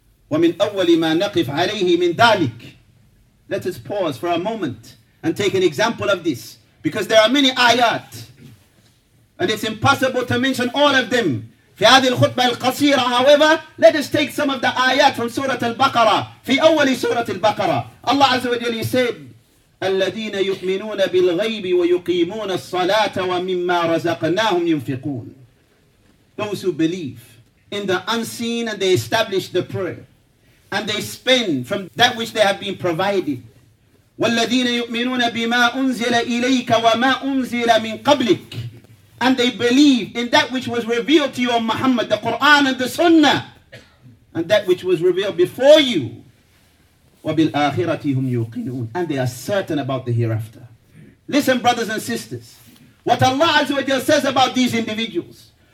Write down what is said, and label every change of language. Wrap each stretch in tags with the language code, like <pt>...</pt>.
<ar>وَمِنْ أَوَّلِ مَا نَقِفْ عَلَيْهِ مِنْ ذَلِكِ.</ar> <en>Let us pause for a moment and take an example of this. Because there are many ayat. And it's impossible to mention all of them.</en> <ar>في هذه الخطبة القصيرة,</ar> <en>however, let us take some of the ayat from Surah Al-Baqarah.</en> <ar>في أول سورة البقرة. Allah Azza wa Jal,</ar> <en>he said,</en> <ar>الذين يؤمنون بالغيب ويقيمون الصلاة ومما رزقناهم ينفقون.</ar> <en>Those who believe in the unseen and they establish the prayer and they spend from that which they have been provided.</en> <ar>والذين يؤمنون بما أنزل إليك وما أنزل من قبلك.</ar> <en>And they believe in that which was revealed to you on Muhammad, the Quran and the Sunnah, and that which was revealed before you.</en> <ar>وَبِالْآخِرَةِ هُمْ يُوقِنُونَ.</ar> <en>And they are certain about the hereafter. Listen, brothers and sisters. What Allah Azza wa Jal says about these individuals.</en>